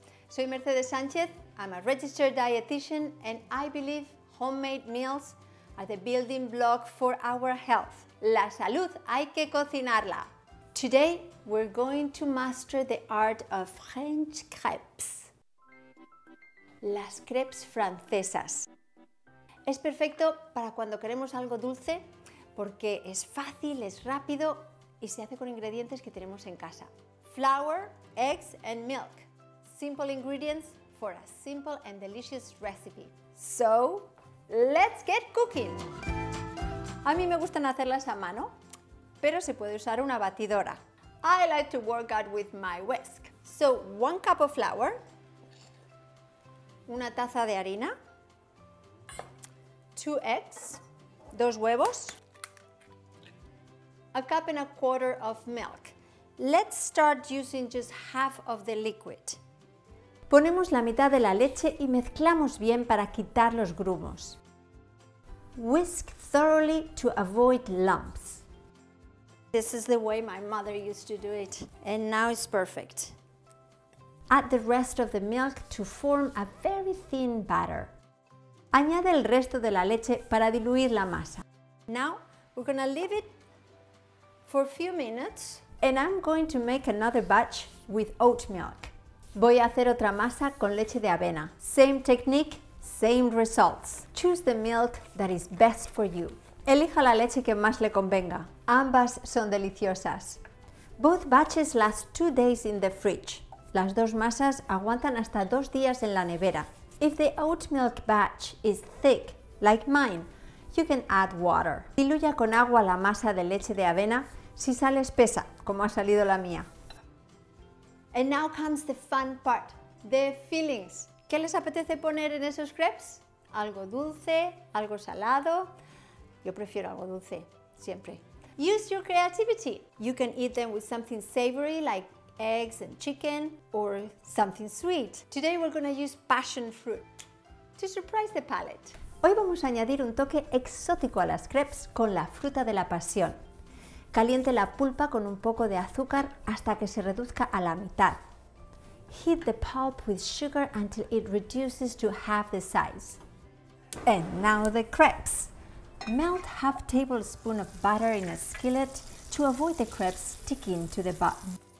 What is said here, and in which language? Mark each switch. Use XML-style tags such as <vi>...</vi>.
<es>Soy Mercedes Sánchez,</es> <en>I'm a registered dietitian and I believe homemade meals are the building block for our health.</en> <es>La salud hay que cocinarla.</es> <en>Today we're going to master the art of French crêpes.</en> <es>Las crêpes francesas. Es perfecto para cuando queremos algo dulce porque es fácil, es rápido y se hace con ingredientes que tenemos en casa.</es> <en>Flour, eggs and milk. Simple ingredients for a simple and delicious recipe. So, let's get cooking!</en> <es>A mí me gustan hacerlas a mano, pero se puede usar una batidora.</es> <en>I like to work out with my whisk. So, one cup of flour,</en> <es>una taza de harina,</es> <en>two eggs,</en> <es>dos huevos,</es> <en>a cup and a quarter of milk. Let's start using just half of the liquid.</en> <es>Ponemos la mitad de la leche y mezclamos bien para quitar los grumos.</es> <en>Whisk thoroughly to avoid lumps. This is the way my mother used to do it, and now it's perfect. Add the rest of the milk to form a very thin batter.</en> <es>Añade el resto de la leche para diluir la masa.</es> <en>Now we're gonna leave it for a few minutes, and I'm going to make another batch with oat milk.</en> <es>Voy a hacer otra masa con leche de avena.</es> <en>Same technique, same results. Choose the milk that is best for you.</en> <es>Elija la leche que más le convenga. Ambas son deliciosas.</es> <en>Both batches last 2 days in the fridge.</en> <es>Las dos masas aguantan hasta 2 días en la nevera.</es> <en>If the oat milk batch is thick, like mine, you can add water.</en> <es>Diluya con agua la masa de leche de avena si sale espesa, como ha salido la mía.</es> <en>And now comes the fun part, the fillings.</en> <es>¿Qué les apetece poner en esos crepes? ¿Algo dulce? ¿Algo salado? Yo prefiero algo dulce, siempre.</es> <en>Use your creativity. You can eat them with something savory like eggs and chicken or something sweet. Today we're going to use passion fruit to surprise the palate.</en> <es>Hoy vamos a añadir un toque exótico a las crepes con la fruta de la pasión. Caliente la pulpa con un poco de azúcar hasta que se reduzca a la mitad.</es> <en>Heat the pulp with sugar until it reduces to half the size. And now the crepes. Melt half tablespoon of butter in a skillet to avoid the crepes sticking to the bottom.</en>